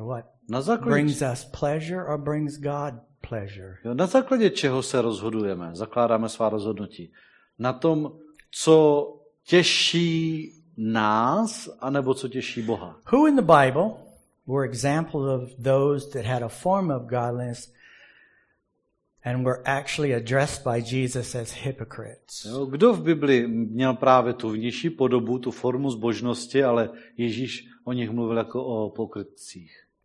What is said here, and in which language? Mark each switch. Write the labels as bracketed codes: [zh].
[en] What brings us pleasure or brings God pleasure? [cs] Jo, na základě čeho se rozhodujeme? Zakládáme svá rozhodnutí. Na tom, co těší nás, anebo co těší Boha. [en] Who in the Bible were examples of those that had a form of godliness and were actually addressed by Jesus as hypocrites? [cs] Jo, kdo v Bibli měl právě tu vnější podobu, tu formu zbožnosti, ale Ježíš o nich mluvil jako o pokrytcích?